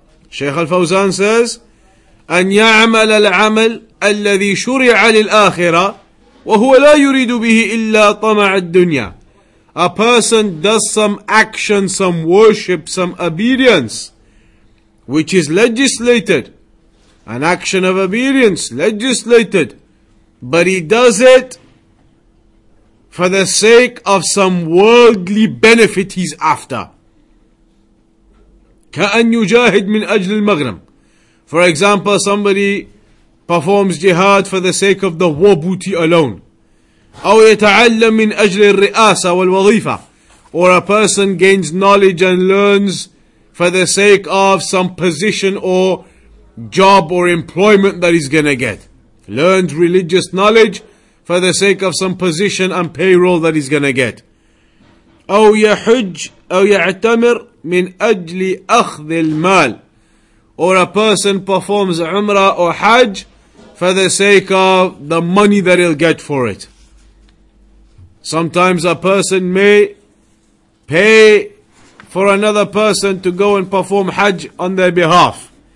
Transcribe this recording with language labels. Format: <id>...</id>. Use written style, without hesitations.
<en>Shaykh Al Fawzaan says,</en> <ar>أن يعمل العمل الذي شرع للآخرة وهو لا يريد به إلا طمع الدنيا.</ar> <en>A person does some action, some worship, some obedience which is legislated, an action of obedience, legislated, but he does it for the sake of some worldly benefit he's after.</en> <ar>كَأَنْ يُجَاهِدْ مِنْ أَجْلِ الْمَغْرَمِ.</ar> <en>For example, somebody performs jihad for the sake of the war booty alone.</en> <ar>أَوْ يَتَعَلَّمْ مِنْ أَجْلِ الرِّئَاسَةِ وَالْوَظِيفَةِ.</ar> <en>Or a person gains knowledge and learns for the sake of some position or job or employment that he's going to get. Learns religious knowledge for the sake of some position and payroll that he's going to get.</en> <ar>أو يحج أو يعتمر من أجل أخذ المال.</ar> <en>Or a person performs Umrah or Hajj for the sake of the money that he'll get for it. Sometimes a person may pay for another person to go and perform Hajj on their behalf.</en>